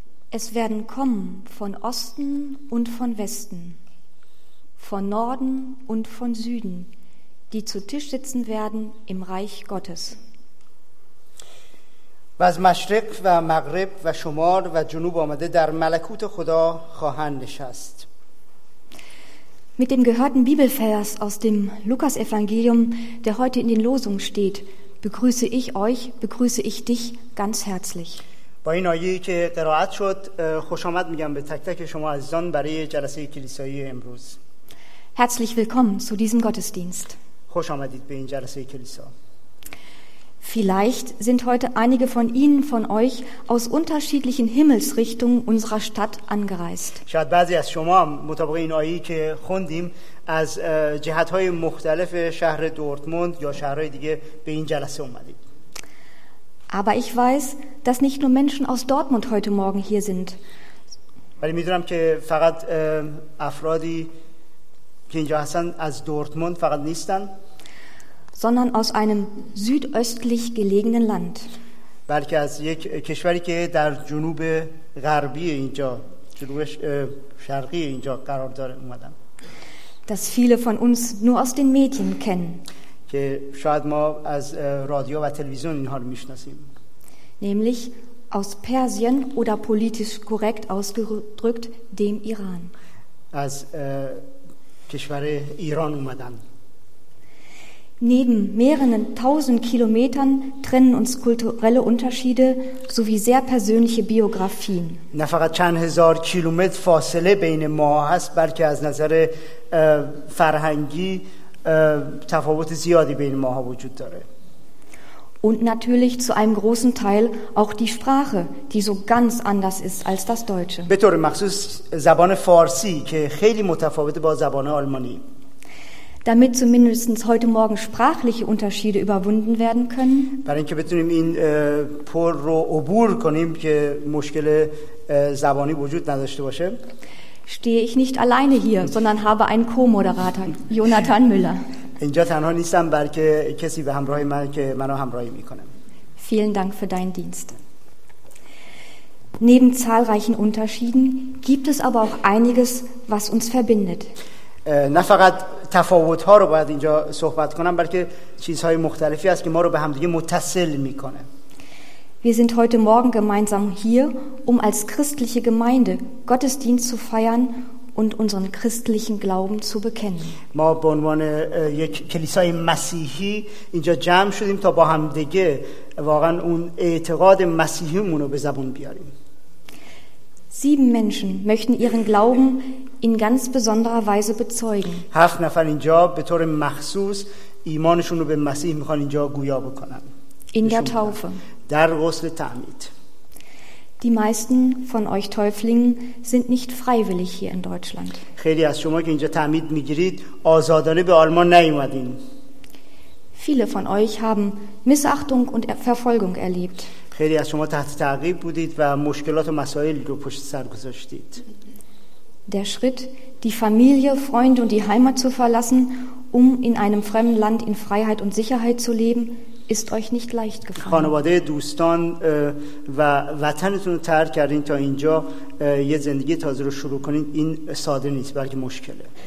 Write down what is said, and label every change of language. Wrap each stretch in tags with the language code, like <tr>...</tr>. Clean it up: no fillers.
<de>Es werden kommen von Osten und von Westen, von Norden und von Süden, die zu Tisch sitzen werden im Reich Gottes.</de> <fa>و از مشرق و مغرب و شمال و جنوب آمده در ملکوت خدا خواهند نشست.</fa> <de>Mit dem gehörten Bibelvers aus dem Lukas-Evangelium, der heute in den Losungen steht, begrüße ich euch, begrüße ich dich ganz herzlich.</de> <fa>با این آیه که قرائت شد خوش آمد میگم به تک تک شما عزیزان برای جلسه کلیسایی امروز.</fa> <de>Herzlich willkommen zu diesem Gottesdienst.</de> <fa>خوش آمدید به این جلسه کلیسا.</fa> <de>Vielleicht sind heute einige von Ihnen, von euch, aus unterschiedlichen Himmelsrichtungen unserer Stadt angereist.</de> <fa>شاید بعضی از شما مطابق این آیه که خوندیم از جهت‌های مختلف شهر دورتموند یا شهرهای دیگه به این جلسه اومدید.</fa> <de>Aber ich weiß, dass nicht nur Menschen aus Dortmund heute Morgen hier sind.</de> <fa>ولی می‌دونم که فقط افرادی که اینجا هستن از دورتموند فقط نیستن.</fa> <de>Sondern aus einem südöstlich gelegenen Land.</de> <fa>بلکه از یک کشوری که در جنوب غربی اینجا، جنوب شرقی اینجا قرار داره اومدن.</fa> <de>Das viele von uns nur aus den Medien kennen.</de> <fa>که شاید ما از رادیو و تلویزیون اینها رو میشناسیم.</fa> <de>Nämlich aus Persien oder politisch korrekt ausgedrückt dem Iran.</de> <fa>از کشور ایران اومدن.</fa> <de>Neben mehreren tausend Kilometern trennen uns kulturelle Unterschiede sowie sehr persönliche Biografien.</de> <fa>نه فقط چند هزار کیلومتر فاصله بین ما هست، بلکه از نظر فرهنگی تفاوت زیادی بین ما ها وجود داره.</fa> <de>Und natürlich zu einem großen Teil auch die Sprache, die so ganz anders ist als das Deutsche.</de> <fa>به طور مخصوص زبان فارسی که خیلی متفاوت با زبان آلمانی.</fa> <de>Damit zumindest heute Morgen sprachliche Unterschiede überwunden werden können.</de> <fa>برای اینکه بتونیم این پر رو عبور کنیم که مشکل زبانی وجود نداشته باشه.</fa> <de>Stehe ich nicht alleine hier, sondern habe einen Co-Moderator, Jonathan Müller.</de> <fa>اینجا تنها نیستم بلکه کسی به همراه من که منو همراهی میکنه.</fa> <de>Vielen Dank für deinen Dienst. Neben zahlreichen Unterschieden gibt es aber auch einiges, was uns verbindet.</de> <fa>نه فقط تفاوت‌ها رو باید اینجا صحبت کنم بلکه چیزهای مختلفی هست که ما رو به همدیگه متصل می‌کنه.</fa> <de>Wir sind heute morgen gemeinsam hier, um als christliche Gemeinde Gottesdienst zu feiern und unseren christlichen Glauben zu bekennen.</de> <fa>ما به عنوان یک کلیسای مسیحی اینجا جمع شدیم تا با همدیگه واقعا اون اعتقاد مسیحیمون رو به زبون بیاریم.</fa> <de>Sieben Menschen möchten ihren Glauben in ganz besonderer Weise bezeugen.</de> <fa>هفت نفر اینجا به طور مخصوص ایمانشون رو به مسیح میخوان اینجا گویا بکنن.</fa> <de>In der Taufe.</de> <fa>در غسل تعمید.</fa> <de>Die meisten von euch Täuflingen sind nicht freiwillig hier in Deutschland.</de> <fa>خیلی از شما که اینجا تعمید میگیرید آزادانه به آلمان نیومدین.</fa> <de>Viele von euch haben Missachtung und Verfolgung erlebt.</de> <fa>خیلی از شما تحت تعقیب بودید و مشکلات و مسائل رو پشت سر گذاشتید.</fa> <de>Der Schritt, die Familie, Freunde und die Heimat zu verlassen, um in einem fremden Land in Freiheit und Sicherheit zu leben, ist euch nicht leicht gefallen.</de> <fa>خانواده، دوستان و وطنتون رو ترک کردین تا اینجا یه زندگی تازه رو شروع کنین، این ساده نیست، بلکه مشکله.</fa>